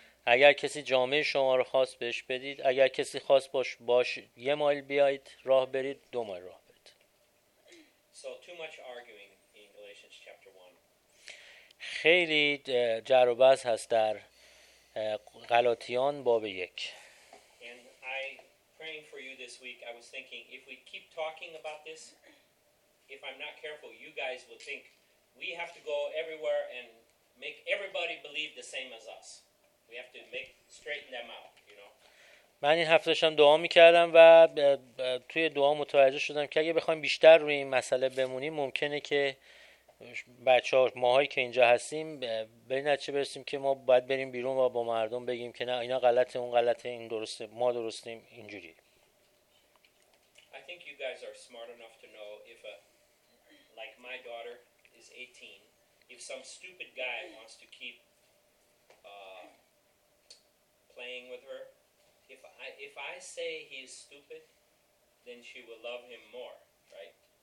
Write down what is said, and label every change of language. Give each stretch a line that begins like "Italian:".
Persian: اگر کسی جامعه شما رو خواست بهش بدید، اگر کسی خواست باش یه مایل بیایید راه برید، 2 مایل راه برید.
English: So too much arguing in Galatians chapter 1.
Persian: خیلی جر و بحث هست در غلاطیان باب 1.
English: And I praying for you this week, I was thinking if we keep talking about this, if I'm not careful, you guys will think we have to go everywhere and make everybody believe the same as us. We have to straighten them out, you know.
Persian: من این هفته داشتم دعا میکردم و توی دعا متوجه شدم که اگه بخوایم بیشتر روی این مسئله بمونیم، ممکنه که بچه‌ها ماهایی که اینجا هستیم به این نتیجه برسیم که ما باید بریم بیرون و با مردم بگیم که نه اینا غلطه، اون غلطه، این درسته، ما درستیم اینجوری.
English: I think you guys are smart enough to know if like my daughter is 18, if some stupid guy wants to keep playing with her, if I say he is stupid, then she will love him more, right?